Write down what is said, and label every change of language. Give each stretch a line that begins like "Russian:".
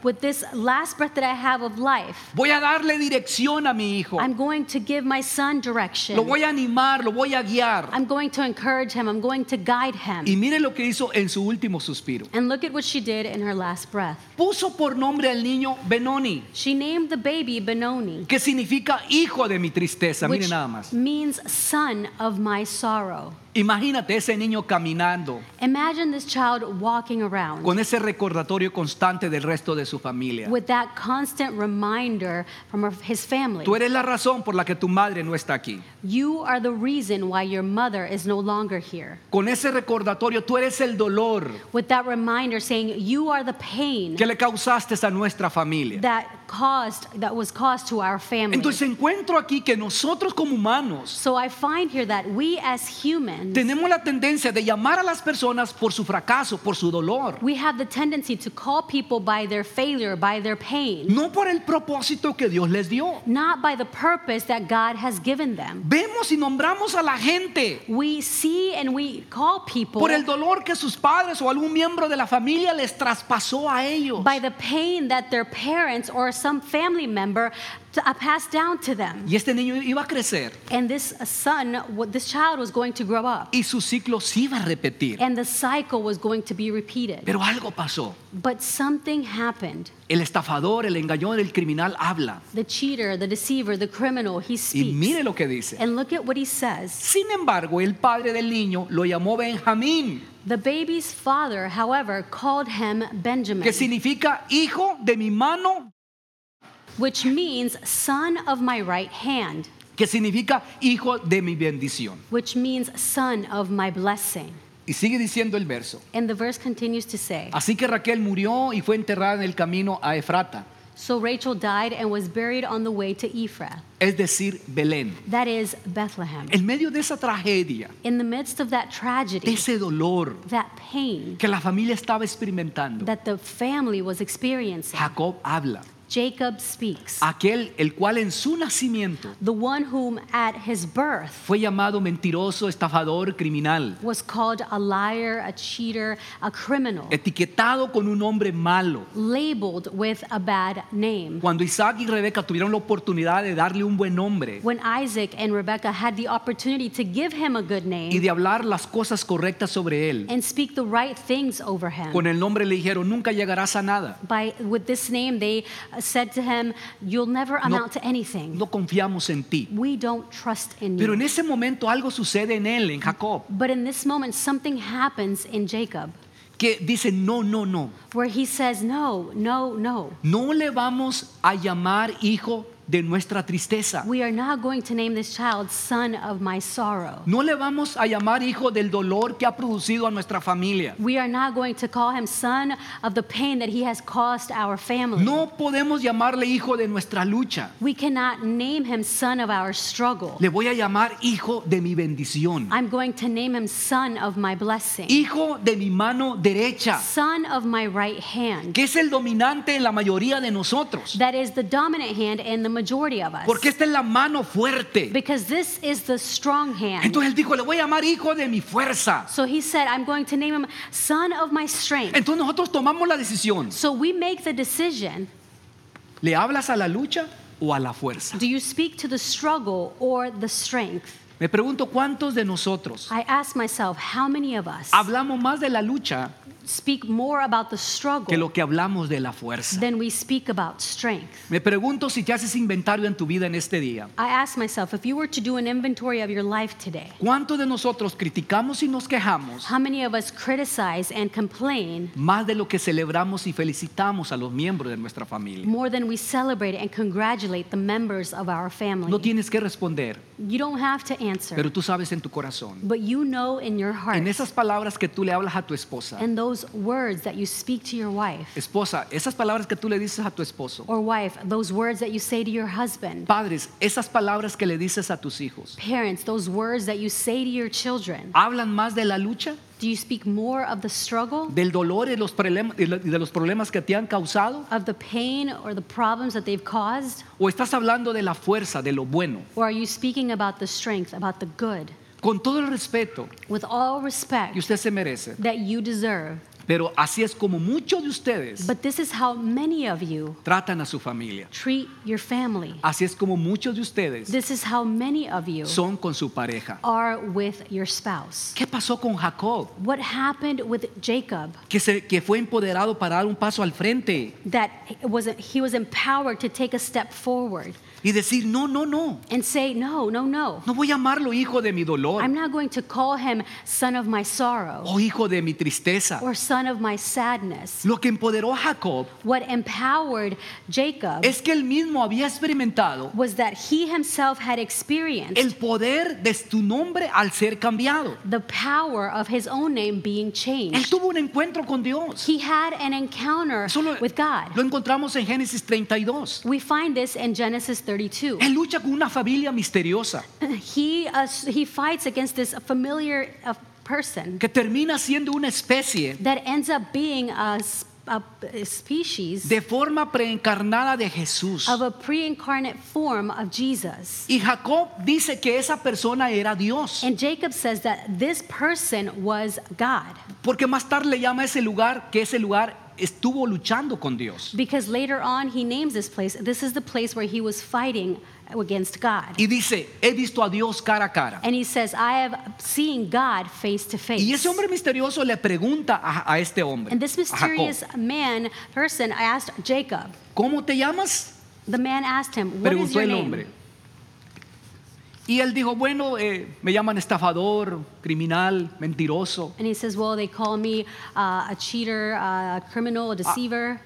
English: with this last breath that I have of life,
Spanish: voy a darle dirección a mi hijo.
English: I'm going to give my son direction.
Spanish: Lo voy a animar, lo voy a guiar.
English: I'm going to encourage him. I'm going to guide him.
Spanish: Y mire lo que hizo en su último suspiro.
English: And look at what she did in her last breath.
Spanish: Puso por nombre el niño Benoni.
English: She named the baby Benoni.
Spanish: Que significa hijo de mi tristeza. Mire nada más.
English: Means son of my sorrow.
Spanish: Imagínate ese niño caminando.
English: Imagine this child walking around.
Spanish: Con ese recordatorio constante del resto de su familia.
English: With that constant reminder from his family.
Spanish: Tú eres la razón por la que tu madre no está aquí.
English: You are the reason why your mother is no longer here.
Spanish: Con ese recordatorio tú eres el dolor.
English: With that reminder saying you are the pain.
Spanish: Que le causaste a nuestra familia.
English: That that was caused to our family.
Spanish: Entonces encuentro aquí que nosotros como humanos,
English: so I find here that we as humans,
Spanish: tenemos la tendencia de llamar a las personas por su fracaso, por su dolor.
English: We have the tendency to call people by their failure, by their pain.
Spanish: No por el propósito que Dios les dio.
English: Not by the purpose that God has given them.
Spanish: Vemos y nombramos a la gente.
English: We see and we call people
Spanish: por el dolor que sus padres o algún miembro de la familia les traspasó a ellos.
English: By the pain that their parents or some family member passed down to them.
Spanish: Y este niño iba a crecer.
English: And this child was going to grow up.
Spanish: Y su ciclo se iba a repetir.
English: And the cycle was going to be repeated.
Spanish: Pero algo pasó.
English: But something happened.
Spanish: El estafador, el engañón, el criminal habla.
English: The cheater, the deceiver, the criminal, he speaks.
Spanish: Y mire lo que dice.
English: And look at what he says.
Spanish: Sin embargo, el padre del niño lo llamó Benjamín.
English: The baby's father, however, called him Benjamin.
Spanish: Que significa hijo de mi mano,
English: which means son of my right hand.
Spanish: Que significa hijo de mi bendición.
English: Which means son of my blessing.
Spanish: Y sigue diciendo el verso.
English: And the verse continues to say.
Spanish: Así que Raquel murió y fue enterrada en el camino a Efrata.
English: So Rachel died and was buried on the way to Ephrath.
Spanish: Es decir, Belén.
English: That is Bethlehem.
Spanish: En medio de esa tragedia.
English: In the midst of that tragedy.
Spanish: De ese dolor.
English: That pain.
Spanish: Que la familia estaba experimentando.
English: That the family was experiencing.
Spanish: Jacob habla.
English: Jacob speaks.
Spanish: Aquel el cual en su nacimiento,
English: the one whom at his birth,
Spanish: fue llamado mentiroso, estafador, criminal,
English: was called a liar, a cheater, a criminal,
Spanish: etiquetado con un nombre malo,
English: labeled with a bad name.
Spanish: Cuando Isaac y Rebeca tuvieron la oportunidad de darle un buen nombre,
English: when Isaac and Rebecca had the opportunity to give him a good name,
Spanish: y de hablar las cosas correctas sobre él,
English: and speak the right things over him,
Spanish: con el nombre le dijeron nunca llegarás a nada.
English: With this name they said to him, you'll never amount to anything.
Spanish: No confiamos en ti.
English: We don't trust in
Spanish: pero
English: you.
Spanish: En ese momento algo sucede en él, en Jacob.
English: But in this moment something happens in Jacob.
Spanish: Que dice no, no, no.
English: Where he says no, no, no.
Spanish: No le vamos a llamar hijo de nuestra tristeza.
English: We are not going to name this child son of my sorrow.
Spanish: No le vamos a llamar hijo del dolor que ha producido a nuestra familia.
English: We are not going to call him son of the pain that he has caused our family.
Spanish: No podemos llamarle hijo de nuestra lucha.
English: We cannot name him son of our struggle.
Spanish: Le voy a llamar hijo de mi bendición.
English: I'm going to name him son of my blessing.
Spanish: Hijo de mi mano derecha.
English: Son of my right hand.
Spanish: Que es el dominante en la mayoría de nosotros.
English: That is the dominant hand in the majority of us.
Spanish: Porque esta es la mano fuerte.
English: Because this is the strong hand.
Spanish: Entonces él dijo, le voy a llamar hijo de mi fuerza.
English: So he said, I'm going to name him son of my strength.
Spanish: Entonces nosotros tomamos la decisión.
English: So we make the decision.
Spanish: ¿Le hablas a la lucha o a la fuerza?
English: Do you speak to the struggle or the strength?
Spanish: Me pregunto cuántos de nosotros.
English: I ask myself, how many of us?
Spanish: Hablamos más de la lucha.
English: Speak more about the struggle
Spanish: que lo que hablamos de la fuerza.
English: Then we speak about strength.
Spanish: Me pregunto si te haces inventario en tu vida en este día.
English: I ask myself if you were to do an inventory of your life today.
Spanish: ¿Cuántos de nosotros criticamos y nos quejamos?
English: How many of us criticize and complain?
Spanish: Más de lo que celebramos y felicitamos a los miembros de nuestra familia.
English: More than we celebrate and congratulate the members of our family.
Spanish: No tienes que responder.
English: You don't have to answer.
Spanish: Pero tú sabes en tu corazón.
English: But you know in your heart.
Spanish: En esas palabras que tú le hablas a tu esposa.
English: And those words that you speak to your wife.
Spanish: Esposa, esas palabras que tú le dices a tu esposo.
English: Or wife, those words that you say to your husband.
Spanish: Padres, esas palabras que le dices a tus hijos.
English: Parents, those words that you say to your children.
Spanish: ¿Hablan más de la lucha?
English: Do you speak more of the struggle?
Spanish: Del dolor y de los problemas que te han causado?
English: Of the pain or the problems that they've caused?
Spanish: ¿O estás hablando de la fuerza, de lo bueno?
English: Or are you speaking about the strength, about the good?
Spanish: Con todo el respeto,
English: with all respect,
Spanish: que usted se merece,
English: that you deserve.
Spanish: Pero así es como muchos de ustedes,
English: but this is how many of you,
Spanish: tratan a su familia,
English: treat your family.
Spanish: Así es como muchos de ustedes,
English: this is how many of you,
Spanish: son con su pareja,
English: are with your spouse.
Spanish: ¿Qué pasó con Jacob?
English: What happened with Jacob?
Spanish: Que fue empoderado para dar un paso al frente.
English: That he was empowered to take a step forward.
Spanish: Y decir no, no, no.
English: And say no, no, no.
Spanish: No voy a llamarlo hijo de mi dolor.
English: I'm not going to call him son of my sorrow.
Spanish: O hijo de mi tristeza.
English: Or son of my sadness.
Spanish: Lo que empoderó a Jacob,
English: what empowered Jacob,
Spanish: es que él mismo había experimentado,
English: was that he himself had experienced
Spanish: el poder de su nombre al ser cambiado.
English: The power of his own name being changed.
Spanish: Él tuvo un encuentro con Dios.
English: He had an encounter with God.
Spanish: Lo encontramos en Génesis 32.
English: We find this in Genesis 32.
Spanish: Él lucha con una familia misteriosa.
English: He fights against this familiar person
Spanish: que termina siendo una especie
English: that ends up being a species
Spanish: de forma preencarnada de Jesús,
English: of a pre-incarnate form of Jesus.
Spanish: Y Jacob dice que esa persona era Dios.
English: And Jacob says that this person was God.
Spanish: Porque más tarde le llama a ese lugar que ese lugar estuvo luchando con Dios.
English: Because later on he names this place, this is the place where he was fighting against God.
Spanish: Y dice, he visto a Dios cara a cara.
English: And he says, I have seen God face to face.
Spanish: Y ese hombre misterioso le pregunta a este hombre,
English: and this mysterious man, person, I asked Jacob,
Spanish: ¿cómo te llamas?
English: The man asked him, what
Spanish: preguntó
English: is your
Spanish: el hombre.
English: Name?
Spanish: Y él dijo, bueno, me llaman estafador, criminal, mentiroso.
English: And he says, well, they call me a cheater, a criminal, a deceiver.